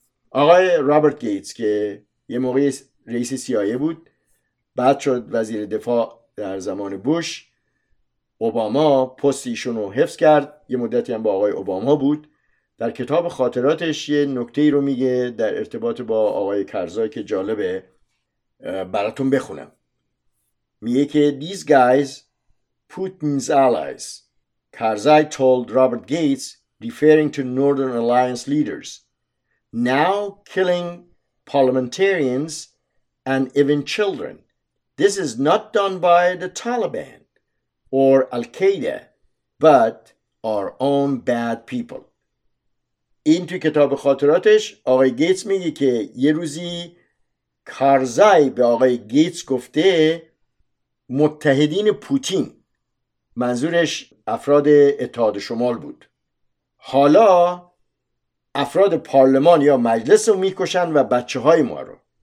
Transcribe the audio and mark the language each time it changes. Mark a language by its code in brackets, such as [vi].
[fa] آقای رابرت گیتس که یه موقع رئیس CIA بود، بعد شد وزیر دفاع در زمان بوش، اوباما پستیشون رو حفظ کرد، یه مدتی هم با آقای اوباما بود. در کتاب خاطراتش یه نکته‌ای رو میگه در ارتباط با آقای کرزای که جالبه براتون بخونم. میگه که [en] These guys, Putin's allies, Karzai told Robert Gates, referring to Northern Alliance leaders, now killing parliamentarians and even children. This is not done by the Taliban or Al-Qaeda, but our own bad people. [fa] این توی کتاب خاطراتش آقای گیتس میگه که یه روزی کرزای به آقای گیتس گفته متحدین پوتین، منظورش افراد اتحاد شمال بود، حالا افراد پارلمان یا مجلس رو میکشن و بچه های ما رو.